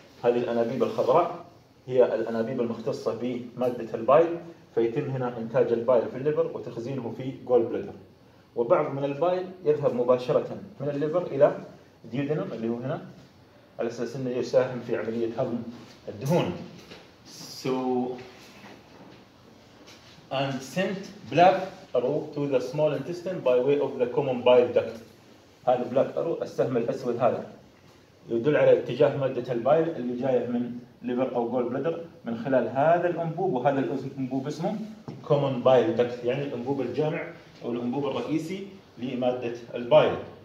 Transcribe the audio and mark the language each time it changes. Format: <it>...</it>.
<ar>هذه الأنابيب الخضراء هي الأنابيب المختصة بمادة البايل, فيتم هنا إنتاج البايل في الليفر وتخزينه في جول بلدر. وبعض من البايل يذهب مباشرة من الليفر إلى ديودينم اللي هو هنا, على أساس أنه يساهم في عملية هضم الدهون.</ar> <en>So and sent black arrow to the small intestine by way of the common bile duct.</en> <ar>هذا بلاك أرو, السهم الأسود هذا يدل على اتجاه مادة البايل اللي جاية من ليفر أو جول بلدر من خلال هذا الأنبوب. وهذا الأنبوب اسمه common bile duct, يعني الأنبوب الجامع أو الأنبوب الرئيسي لمادة البايل.</ar>